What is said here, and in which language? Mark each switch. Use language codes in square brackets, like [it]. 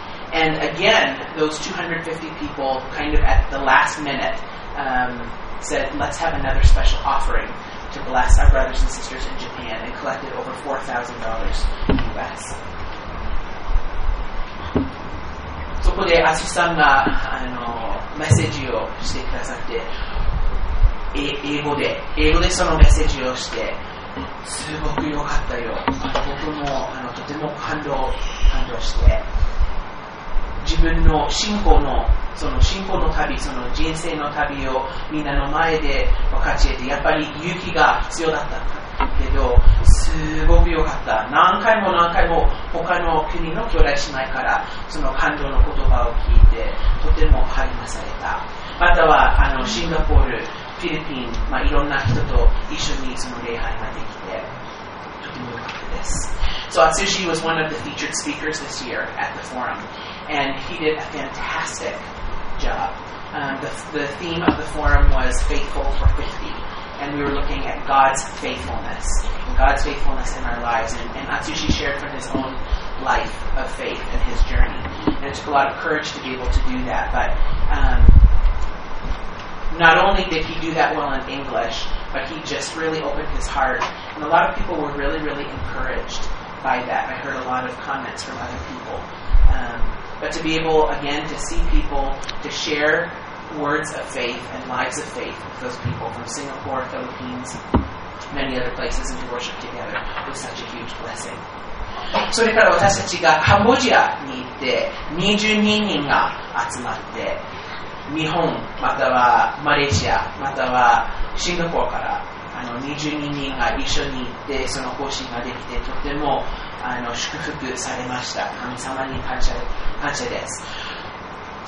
[en] And again, those 250 people kind of at the last minute said, let's have another special offering to bless our brothers and sisters in Japan, and collected over $4,000 US. [ja] そこでアシさんがメッセージをしてくださって、英語でそのメッセージをして、すごく良かったよ。僕もとても感動して、自分の信仰のその信仰の旅、その人生の旅をみんなの前で分かち合って、やっぱり勇気が必要だったけど、すごく良かった。何回も他の国の兄弟姉妹からその感動の言葉を聞いて、とても励まされた。またはシンガポール、フィリピン、いろんな人と一緒にその礼拝ができて、とても良かったです。 [en] So Atsushi was one of the featured speakers this year at the forum, and he did a fantastic job. The theme of the forum was Faithful for 50, and we were looking at God's faithfulness in our lives, and Atsushi shared from his own life of faith and his journey. And it took a lot of courage to be able to do that, but not only did he do that well in English, but he just really opened his heart, and a lot of people were really, really encouraged by that. I heard a lot of comments from other people. But to be able, again, to see people, to share words of faith and lives of faith with those people from Singapore, Philippines, many other places, and to worship together was such a huge blessing. [ja] それから私たちがカンボジアに行って、22人が集まって、日本、またはマレーシア、またはシンガポールから22人が一緒に行って、その行進ができて、とても祝福されました。神様に感謝です。